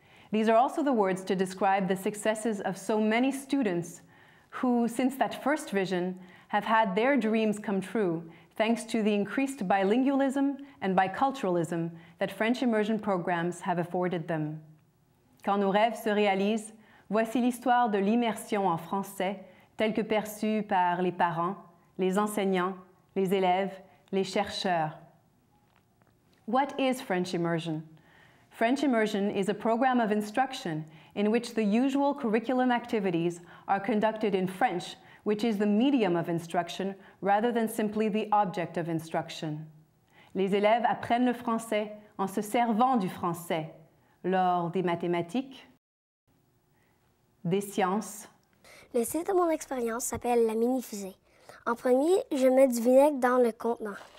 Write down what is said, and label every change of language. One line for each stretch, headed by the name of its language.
English: These are also the words to describe the successes of so many students who, since that first vision, have had their dreams come true thanks to the increased bilingualism and biculturalism that French immersion programs have afforded them.
French: Quand nos rêves se réalisent, voici l'histoire de l'immersion en français telle que perçue par les parents, les enseignants, les élèves, les chercheurs.
English: What is French immersion? French immersion is a program of instruction in which the usual curriculum activities are conducted in French, which is the medium of instruction rather than simply the object of instruction.
French: Les élèves apprennent le français en se servant du français lors des mathématiques, des sciences. Le site de mon expérience s'appelle la mini-fusée. En premier, je mets du vinaigre dans le contenant.